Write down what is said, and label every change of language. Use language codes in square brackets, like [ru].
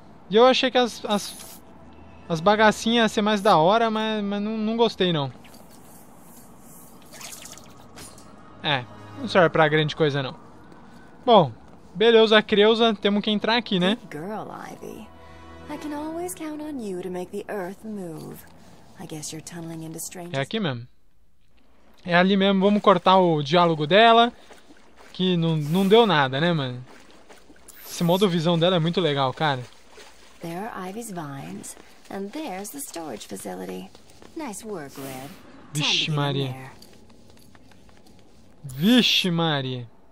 [pt] E eu achei que as bagacinhas iam ser mais da hora, mas não gostei, não. É, não serve pra grande coisa, não. Bom, beleza, Creuza. Temos que entrar aqui, né? [en] I can always count on you to make the earth move. I guess you're tunneling into strange... [pt] É aqui mesmo. É ali mesmo. Vamos cortar o diálogo dela. Que não deu nada, né, mano? Esse modo visão dela é muito legal, cara. [en] There are Ivy's vines, and there's the storage facility. Nice work, Red. [pt] Vixe Maria. Vixe Maria.